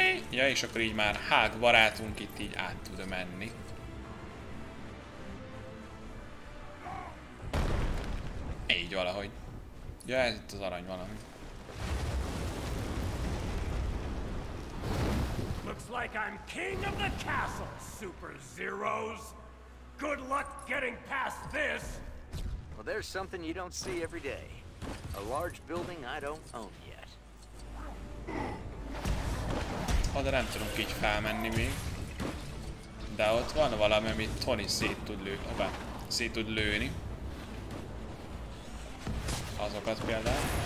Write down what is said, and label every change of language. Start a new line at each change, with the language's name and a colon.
Hungarian: Ja, és akkor így már Hulk barátunk itt így át tud menni. Jaj, ez itt az arany valami.
English: Looks like I'm king of the castle, Super Zeroes. Good luck getting past this. Well, there's something you don't see every day. A large building I don't own yet.
Hungarian: Oh, de nem tudunk így felmenni még. De ott van valami, amit Tony szét tud lőni. Azokat például.